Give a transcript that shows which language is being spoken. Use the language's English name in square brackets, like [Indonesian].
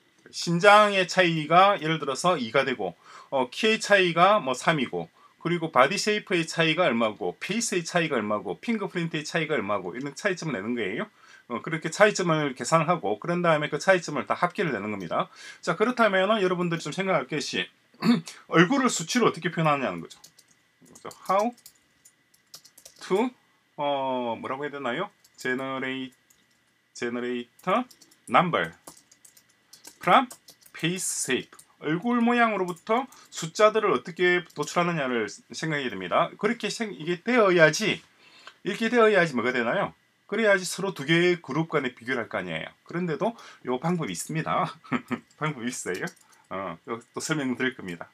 [Korean] 신장의 차이가 예를 들어서 2가 되고 키의 차이가 뭐 3이고 그리고 바디 쉐이프의 차이가 얼마고 페이스의 차이가 얼마고 핑거프린트의 차이가 얼마고 이런 차이점을 내는 거예요. 그렇게 차이점을 계산하고 그런 다음에 그 차이점을 다 합계를 내는 겁니다. 자, 그렇다면 여러분들이 좀 생각할 것이 얼굴을 수치로 어떻게 표현하느냐는 거죠. [English] How to [Korean] 뭐라고 해야 되나요? [English] Generate number from face shape. [Korean] 얼굴 모양으로부터 숫자들을 어떻게 도출하느냐를 생각해야 됩니다. 그렇게 이게 되어야지 뭐가 되나요? 그래야지 서로 두 개의 그룹 간에 비교를 할 거 아니에요. 그런데도 요 방법이 있습니다. 방법이 있어요. 또 설명드릴 겁니다.